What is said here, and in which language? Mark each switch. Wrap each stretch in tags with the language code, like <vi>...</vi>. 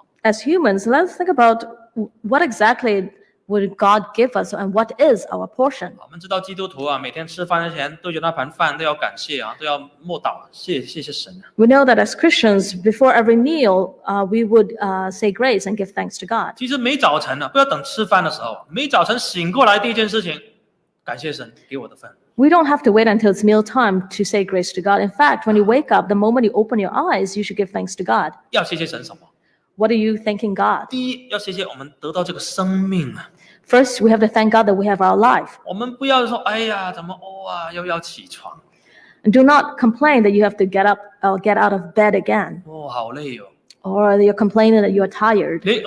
<en>As humans, let's think about what exactly would God give us, and what is our portion?</en> <zh>我们知道基督徒啊，每天吃饭之前都有那盘饭，都要感谢啊，都要默祷，谢谢神。</zh> <en>We know that as Christians, before every meal, we would say grace and give thanks to God.</en> <zh>其实每早晨呢，不要等吃饭的时候，每早晨醒过来第一件事情，感谢神给我的份。</zh> <en>We don't have to wait until it's meal time to say grace to God. In fact, when you wake up, the moment you open your eyes, you should give thanks to God.</en> <zh>要谢谢神什么？</zh> <en>What are you thanking God?</en> <zh>第一，要谢谢我们得到这个生命啊。</zh> <en>First, we have to thank God that we have our life.</en> <zh>我们不要说，哎呀，怎么哦啊，又要起床。</zh> <en>And do not complain that you have to get up or get out of bed again.</en> <zh>哦，好累哦。</zh> <en>Or you're complaining that you're tired.</en>